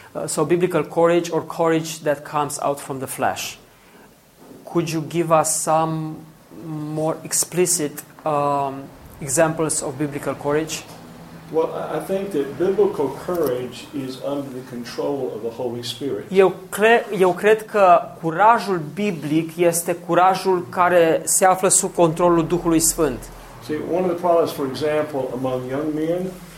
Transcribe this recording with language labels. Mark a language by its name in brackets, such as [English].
[English] So biblical courage or courage that comes out from the flesh. Could you give us some more explicit examples of biblical courage? Well, I think that biblical courage is under the control of the Holy Spirit. [Romanian] Eu cred că curajul biblic este curajul care se află sub controlul Duhului Sfânt. [English] See, one of the problems, for example, among young men.